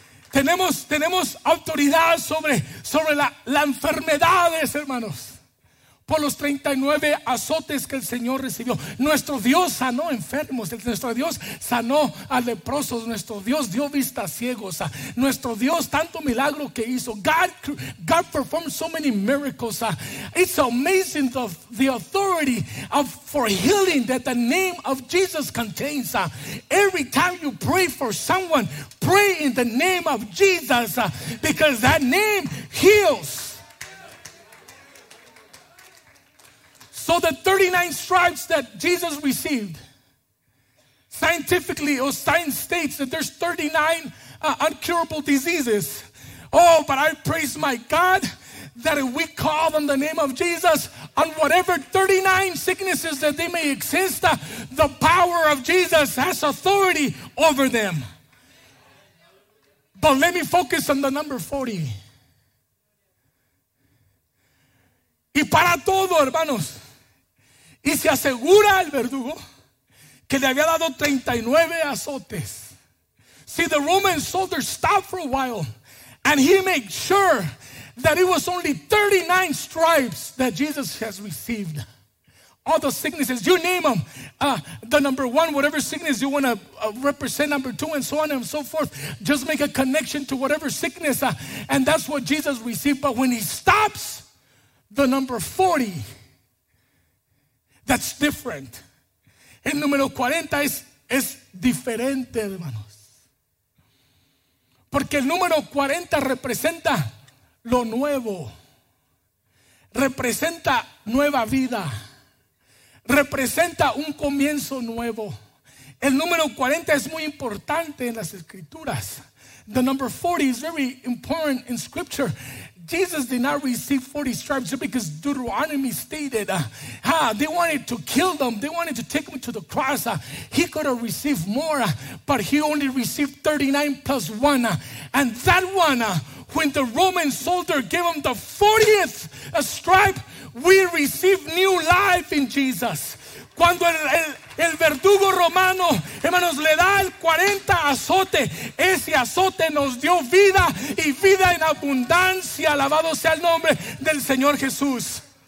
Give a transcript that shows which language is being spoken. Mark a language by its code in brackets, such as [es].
[es] Tenemos autoridad sobre la enfermedades, hermanos, por los 39 azotes que el Señor recibió. Nuestro Dios sanó enfermos, nuestro Dios sanó a leprosos, nuestro Dios dio vista a ciegos, nuestro Dios tanto milagro que hizo. [en] God performed so many miracles. It's amazing the authority for healing that the name of Jesus contains. Every time you pray for someone, pray in the name of Jesus, because that name heals. So the 39 stripes that Jesus received, scientifically, or science states that there's 39 incurable diseases. Oh, but I praise my God that if we call on the name of Jesus on whatever 39 sicknesses that they may exist, the power of Jesus has authority over them. But let me focus on the number 40. [es] Y para todo, hermanos, y se asegura el verdugo que le había dado 39 azotes. [en] See, the Roman soldier stopped for a while and he made sure that it was only 39 stripes that Jesus has received. All the sicknesses, you name them. The number one, whatever sickness you want to represent, number two, and so on and so forth. Just make a connection to whatever sickness. And that's what Jesus received. But when he stops, the number 40, that's different. [es] El número 40 es diferente, hermanos. Porque el número 40 representa lo nuevo. Representa nueva vida. Representa un comienzo nuevo. El número 40 es muy importante en las escrituras. [en] The number 40 is very important in scripture. Jesus did not receive 40 stripes because Deuteronomy stated they wanted to kill them. They wanted to take him to the cross. He could have received more, but he only received 39 plus one. And that one, when the Roman soldier gave him the 40th stripe, we receive new life in Jesus. [es] Cuando el verdugo romano, hermanos, le da el 40 azote, ese azote nos dio vida y vida en abundancia. Alabado sea el nombre del Señor Jesús.